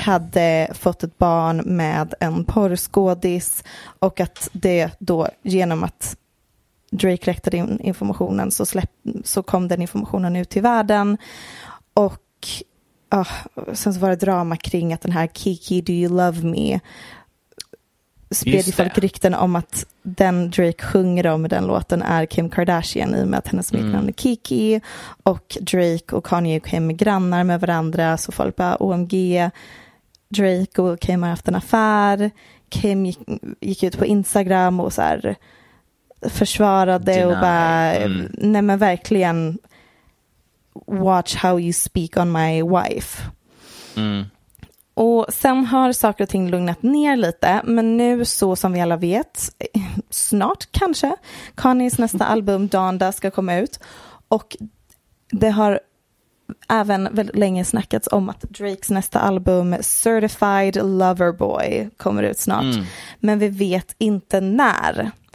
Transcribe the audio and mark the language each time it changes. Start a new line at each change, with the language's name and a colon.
Swedish: Hade fått ett barn med en porrskådis och att det då genom att Drake läckte in informationen så kom den informationen ut till världen och sen så var det drama kring att den här Kiki Do You Love Me spred i folk rykten om att den Drake sjunger om i den låten är Kim Kardashian i och med att hennes smeknamn är Kiki. Och Drake och Kanye och Kim är grannar med varandra. Så folk bara, OMG, Drake och Kim har haft en affär. Kim gick ut på Instagram och så här försvarade
English: deny.
Swedish: Och bara, nej men verkligen,
English: watch how you speak on my wife.
Swedish: Och sen har saker och ting lugnat ner lite, men nu så som vi alla vet, snart kanske, Kanyes nästa album Donda ska komma ut. Och det har även väldigt länge snackats om att Drakes nästa album Certified Lover Boy kommer ut snart. Men vi vet inte när.